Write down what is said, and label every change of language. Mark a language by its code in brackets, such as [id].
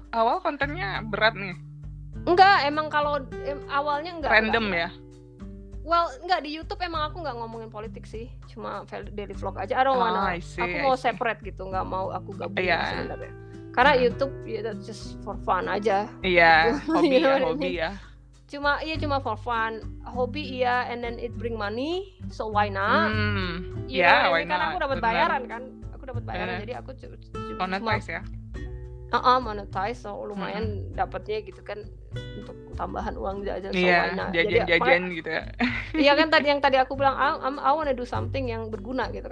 [id] Awal kontennya berat nih. Enggak, emang kalau awalnya enggak [en] random [id] enggak, ya. Well, enggak, di YouTube emang aku enggak ngomongin politik sih, cuma daily vlog aja. [en] I see. [id] Separate gitu, enggak mau aku gabung sebenarnya. Karena YouTube ya [en] that's just for fun [id] aja. Iya, hobi ya, hobi ya. [en] Cuma for fun, [id] hobi iya, [en] and then it bring money, so why not? Why not? [id] Karena aku dapat bayaran kan. Dapat bayaran, jadi aku [en] monetize [id] ya. Monetize, so lumayan dapatnya gitu kan untuk tambahan uang jajan. Iya, jajan gitu ya. Iya kan, tadi aku bilang [en] I wanna do something [id] yang berguna gitu.